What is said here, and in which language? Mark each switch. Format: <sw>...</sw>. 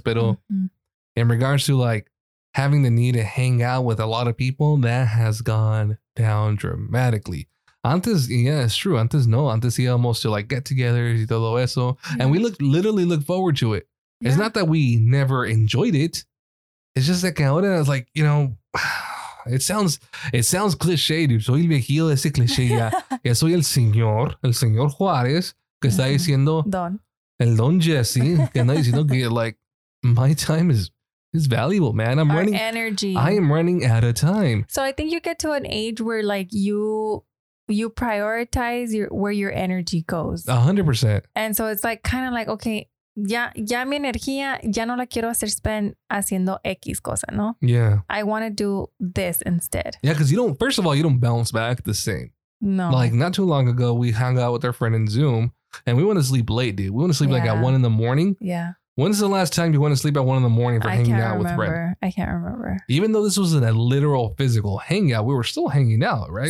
<es>Pero</es> <en>in regards to like having the need to hang out with a lot of people, that has gone down dramatically.</en> <es>Antes,</es> <en>yeah, it's true.</en> <es>Antes no. Antes íbamos</es> <en>to like get togethers</en> <es>y todo eso. Yeah.</es> <en>And we literally look forward to it. Yeah. It's not that we never enjoyed it. It's just that ahora, it's like, you know, it sounds cliche, dude.</en> <es>Soy el viejillo de ese cliche ya. Ya soy el señor Juárez, que está diciendo. Don. El Don Jesse, que está diciendo que, like,</es> <en>my time is valuable, man.</en> <es>I'm</es> <en>Our running. Energy. I am running out of time. So I think you get to an age where, like, you prioritize where your energy goes. 100%. And so it's like, kind of like, okay.</en> <es>Ya mi energía, ya no la quiero hacer spend haciendo X cosa, ¿no?</es> <en>Yeah. I want to do this instead. Yeah, because you don't, first of all, you don't bounce back the same. No. Like, not too long ago, we hung out with our friend in Zoom, and we went to sleep late, dude. We went to sleep, like, at 1 in the morning. Yeah. When's the last time you went to sleep at 1 in the morning for hanging out with Red? I can't remember. Even though this wasn't a literal physical hangout, we were still hanging out, right?</en>